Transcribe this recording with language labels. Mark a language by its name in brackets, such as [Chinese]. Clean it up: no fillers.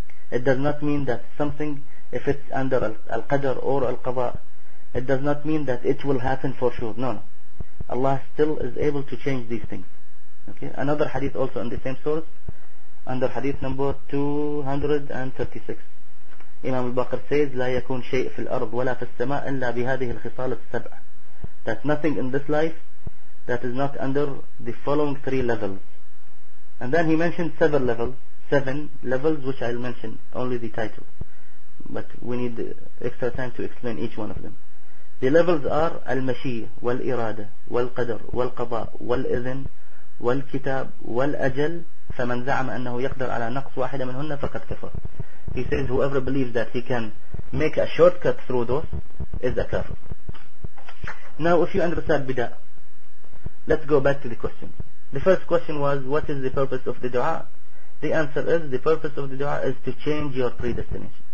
[English] It does not mean that something, if it's under al-qadr or al-qadha, it does not mean that it will happen for sure. No, no. Allah still is able to change these things. Okay. Another hadith also in the same source, under hadith number 236. Imam al-Baqir says, [Arabic] لا يكون شيء في الأرض ولا في السماء إلا بهذه الخصال السبع. [English] That nothing in this life that is not under the following three levels. And then he mentioned several levels, seven levels, which I'll mention only the title, but we need extra time to explain each one of them. The levels are al-mashi, wal-irada, wal-qadr, wal-qadha, wal-idhn, wal-kitab, wal-ajal. [Arabic] فمن زعم أنه يقدر على نقص واحدة منهن فقد كفر. [English] He says whoever believes that he can make a shortcut through those is a kafir. Now, if you understand bida, let's go back to the question. The first question was, what is the purpose of the dua? The answer is, the purpose of the dua is to change your predestination.